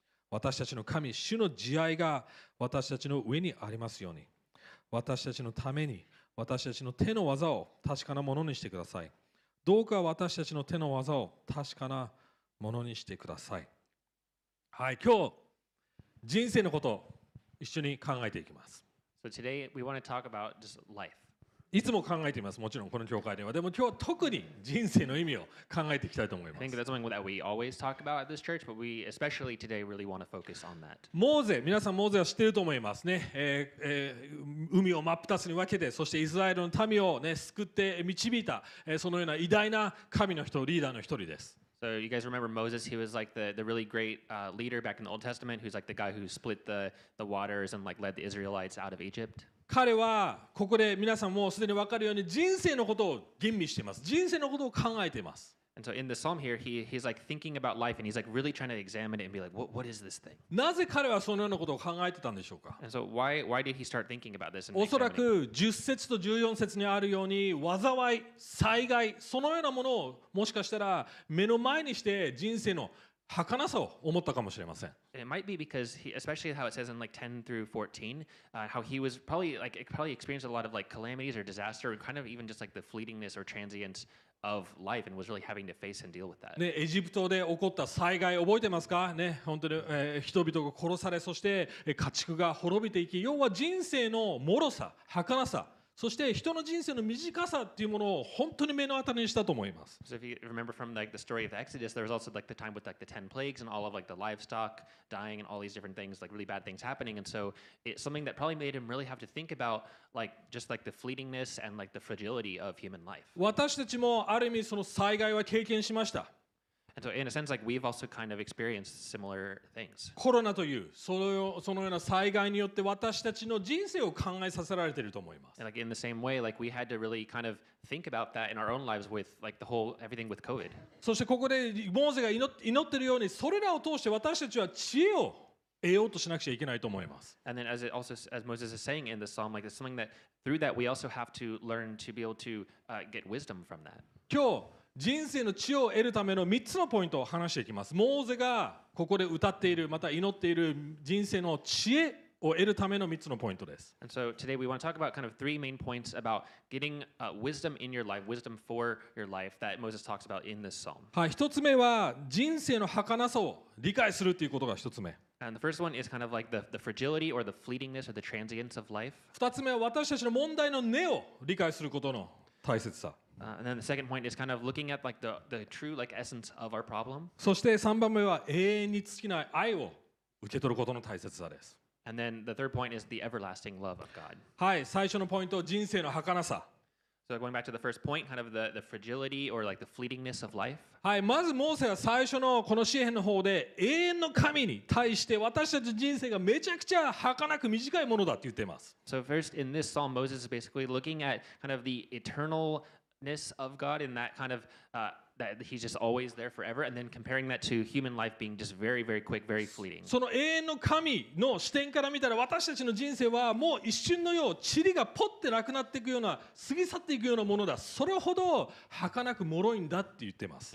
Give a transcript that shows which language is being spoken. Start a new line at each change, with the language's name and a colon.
Japanese: 私たちの神主の慈愛が私たちの上にありますように。私たちのために、私たちの手の技を確かなものにしてください。どうか私たちの手の技を確かなものにしてください。はい、今日人生のことを一緒に考えていきます。
English: So today we want to talk about just life.
Japanese: いつも考えています。もちろんこの教会では。でも今日は特に人生の意味を考えていきたいと思います。
English: I think that's something that we always talk about at this church, but we especially today really want to focus on that.
Japanese: モーゼ、皆さんモーゼは知っていると思いますね。海を真っ二つに分けて、そしてイスラエルの民を、ね、救って導いた、そのような偉大な神の人、リーダーの一人です。
English: So you guys remember Moses? He was like the really great leader back in the Old Testament. Who's like the guy who split the waters and like led the Israelites out of Egypt.
Japanese: 彼はここで皆さんもうすでに分かるように人生のことを吟味しています。人生のことを考えています。
English: And so in the psalm here, he's like thinking about life and he's like really trying to examine it and be like, what is this thing?
Japanese: なぜ彼はそのようなことを考えてたんでしょうか?
English: And so why did he start thinking about this?
Japanese: おそらく10節と14節にあるように災い、災害、そのようなものをもしかしたら目の前にして人生の儚さを思ったかもしれません。
English: It might be because he, especially how it says in like 10 through 14, how he was probably experienced a lot of like calamities or disaster or kind of even just like the fleetingness or transience of life and was really having to face and deal with that.
Japanese: ね、エジプトで起こった災害覚えてますか？ね、本当に、人々が殺され、そして家畜が滅びていき、要は人生の脆さ、儚さ。そして人の人生の短さっていうものを本当に目の当たりにしたと思います。
English: So if you remember from like the story of Exodus, there was also like the time with like the 10 plagues and all of like the livestock dying and all these different things, like really bad things happening. And so it's something that probably made him really have to think about like just like the fleetingness and like the fragility of human life.
Japanese: 私たちもある意味その災害は経験しました。
English: And so in a sense, like we've also kind of experienced similar things.
Japanese: コロナというそのような災害によって私たちの人生を考えさせられていると思います。
English: And like in the same way, like we had to really kind of think about that in our own lives with like the whole everything with COVID.
Japanese: そしてここでモーゼが祈っているようにそれらを通して私たちは知恵を得ようとしなくちゃいけないと思います。
English: And then as Moses is saying in the psalm, like it's something that through that we also have to learn to be able to get wisdom from that.
Japanese: 今日人生の知を得るための3つのポイントを話していきます。モーゼがここで歌っている、また祈っている人生の知恵を得るための3つのポイントです。
English: And so today we want to talk about kind of three main points about getting wisdom in your life, wisdom for your life that Moses talks about in this psalm.
Japanese: はい、1つ目は人生の儚さを理解するということが1つ目。
English: And the first one is kind of like the fragility or the fleetingness or the transience of life.
Japanese: 2つ目は私たちの問題の根を理解することの大切さ。
English: And then the second point is kind of looking at like the true like essence of our problem.
Japanese: そして3番目は永遠に尽きない愛を受け取ることの大切さです。
English: And then the third point is the everlasting love of God.
Japanese: はい、最初のポイント、人生の儚さ。
English: So going back to the first point, kind of the fragility or like the fleetingness of life.
Japanese: はい、まずモーセは最初のこの詩編の方で永遠の神に対して私たち人生がめちゃくちゃ儚く短いものだって言ってます。
English: So first in this psalm, Moses is basically looking at kind of the eternalOf God in that kind of that He's just always there forever, and then comparing that to human life being just very, very quick, very fleeting.
Japanese: その永遠の神の視点から見たら、私たちの人生はもう一瞬のよう塵がポッてなくなっていくような過ぎ去っていくようなものだ。それほど儚く脆いんだって言ってます。